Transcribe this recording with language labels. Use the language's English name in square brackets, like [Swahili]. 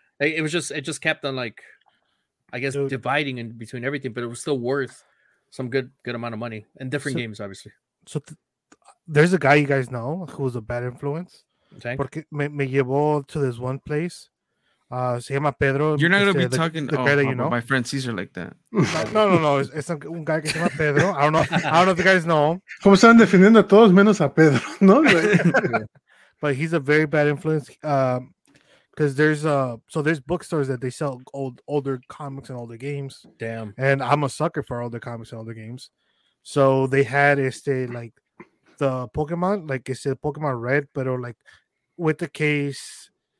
[English] It just kept on like, I guess, dividing in between everything, but it was still worth some good amount of money and different games, obviously. So there's a guy you guys know who was a bad influence. Tank? [Spanish] Porque me llevó [English] to this one place. [Spanish] Se llama Pedro. [English] You're not going to be talking to my friend Caesar like that. [Spanish] No. Es un [English] guy [Spanish] que se llama Pedro. [English] I don't know if you guys know him. [Spanish] Como están defendiendo a todos menos a Pedro, ¿no? [English] But he's a very bad influence. Because there's bookstores that they sell older comics and older games. Damn. And I'm a sucker for older comics and older games. So they had like the Pokemon, like it said Pokemon Red, but like with the case.